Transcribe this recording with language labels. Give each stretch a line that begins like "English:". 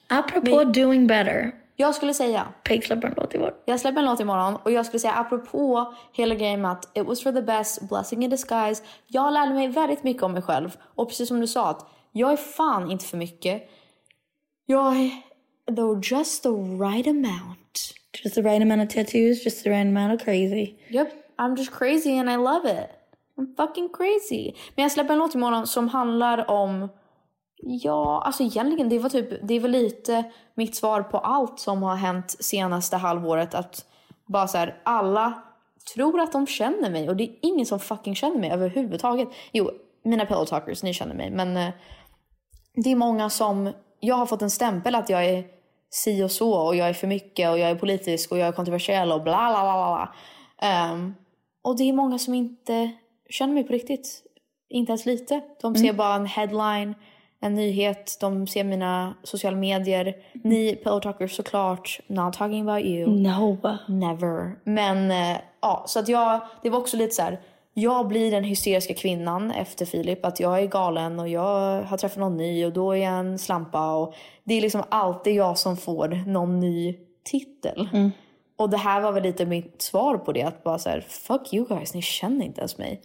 Swedish: Apropå men,
English: doing better.
Swedish: Jag skulle säga... Peg släpper en låt imorgon. Jag släpper en låt imorgon. Och jag skulle säga, apropå hela grejen att
English: it was for the best, blessing in disguise.
Swedish: Jag lärde mig väldigt mycket om mig själv. Och precis som du sa, att jag är fan inte för mycket. Jag är...
English: Though just the right amount. Just the right amount of tattoos, just the right amount of crazy. Yep, I'm just crazy and I love it. I'm fucking crazy.
Swedish: Men jag släpper en låt imorgon som handlar om Ja, alltså egentligen det var typ, det var lite mitt svar på allt som har hänt senaste halvåret, att bara så här, alla tror att de känner mig och det är ingen som fucking känner mig överhuvudtaget. Jo, mina pillow talkers, ni känner mig, men det är många som, jag har fått en stämpel att jag är si och så och jag är för mycket och jag är politisk och jag är kontroversiell och bla bla bla bla. Och det är många som inte känner mig på riktigt, inte ens lite. De ser bara en headline, en nyhet, de ser mina sociala medier.
English: Ni pillow talkers
Swedish: såklart,
English: not talking about you. No. Never.
Swedish: Men ja, så att jag, det var också lite så här, jag blir den hysteriska kvinnan efter Filip, att jag är galen och jag har träffat någon ny och då är jag en slampa. Och det är liksom alltid jag som får någon ny titel. Mm. Och det här var väl lite mitt svar på det, att bara så här,
English: fuck you guys,
Swedish: ni känner inte ens mig.